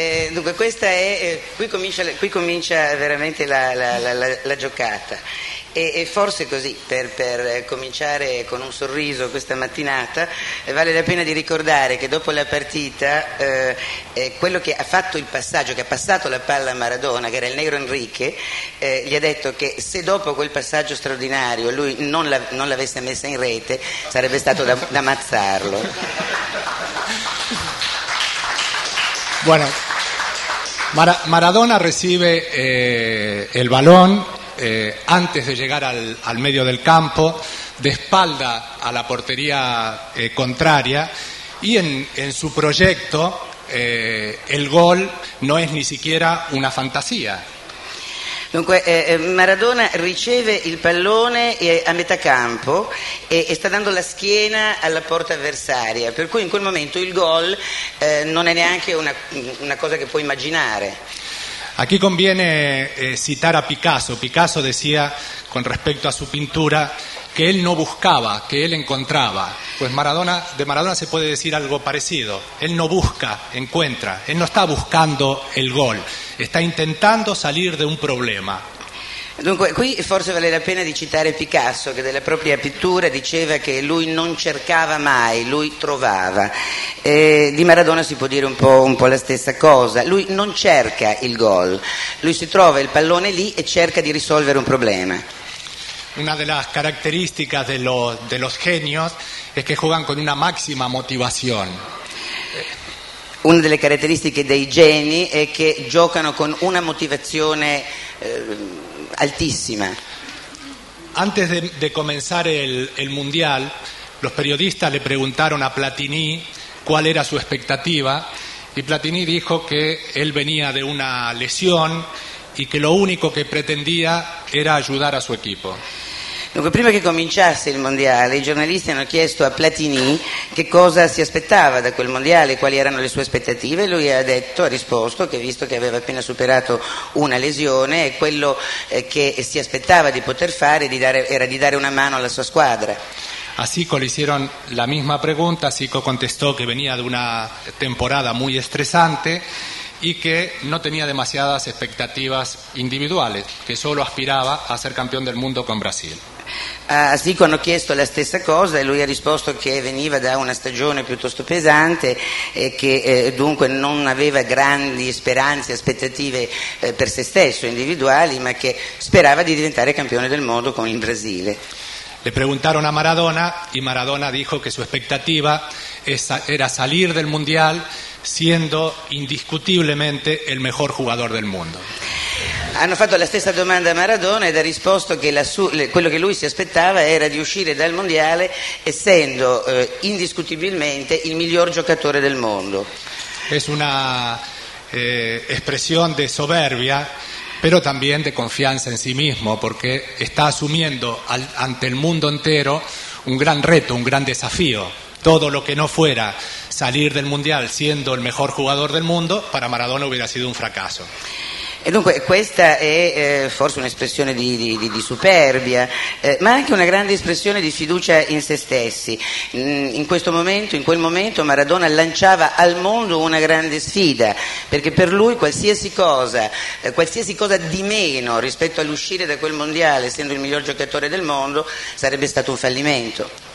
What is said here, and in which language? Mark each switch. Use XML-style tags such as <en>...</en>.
<it>Dunque questa è qui comincia veramente la giocata e forse così per cominciare con un sorriso questa mattinata vale la pena di ricordare che dopo la partita quello che ha fatto il passaggio, che ha passato la palla a Maradona, che era il negro Enrique, gli ha detto che se dopo quel passaggio straordinario lui non l'avesse messa in rete sarebbe stato da ammazzarlo.</it> <es>Bueno, Maradona recibe el balón antes de llegar al medio del campo, de espalda a la portería contraria, y en su proyecto el gol no es ni siquiera una fantasía.</es> <it>Dunque Maradona riceve il pallone a metà campo e sta dando la schiena alla porta avversaria, per cui in quel momento il gol non è neanche una cosa che puoi immaginare.</it> <es>Aquí conviene citar a Picasso. Picasso decía con respecto a su pintura que él no buscaba, que él encontraba. Pues Maradona, de Maradona se puede decir algo parecido. Él no busca, encuentra. Él no está buscando el gol. Está intentando salir de un problema.</es> <it>Dunque, qui forse vale la pena di citare Picasso, che della propria pittura diceva che lui non cercava mai, lui trovava. Di Maradona si può dire un po' la stessa cosa. Lui non cerca il gol, lui si trova il pallone lì e cerca di risolvere un problema.</it> <es>Una de las características de los genios es que juegan con una máxima motivación.</es> <it>Una delle caratteristiche dei geni è che giocano con una motivazione altissima.</it> <es>Antes de comenzar el mundial, los periodistas le preguntaron a Platini cuál era su expectativa, y Platini dijo que él venía de una lesión y que lo único que pretendía era ayudar a su equipo.</es> <it>Dunque, prima che cominciasse il mondiale, i giornalisti hanno chiesto a Platini che cosa si aspettava da quel mondiale, quali erano le sue aspettative. Lui ha risposto che, visto che aveva appena superato una lesione, quello che si aspettava di poter fare era di dare una mano alla sua squadra.</it> <es>A Zico le hicieron la misma pregunta. Zico contestò che venía de una temporada muy estresante y que no tenía demasiadas expectativas individuales, que solo aspiraba a ser campeón del mundo con Brasil.</es> <it>Zico hanno chiesto la stessa cosa e lui ha risposto che veniva da una stagione piuttosto pesante e che dunque non aveva grandi speranze, aspettative per se stesso, individuali, ma che sperava di diventare campione del mondo con il Brasile.</it> <es>Le preguntaron a Maradona y Maradona dijo que su expectativa era salir del mundial siendo indiscutiblemente el mejor jugador del mundo.</es> <it>Hanno fatto la stessa domanda a Maradona ed ha risposto che quello che lui si aspettava era di uscire dal mondiale essendo indiscutibilmente il miglior giocatore del mondo.</it> <es>Es una expresión de soberbia, pero también de confianza en sí mismo, porque está asumiendo ante el mundo entero un gran reto, un gran desafío. Todo lo que no fuera salir del mundial siendo el mejor jugador del mundo, para Maradona hubiera sido un fracaso.</es> <it>E dunque questa è forse un'espressione di superbia, ma anche una grande espressione di fiducia in se stessi. In quel momento Maradona lanciava al mondo una grande sfida, perché per lui qualsiasi cosa di meno rispetto all'uscire da quel mondiale essendo il miglior giocatore del mondo sarebbe stato un fallimento.</it>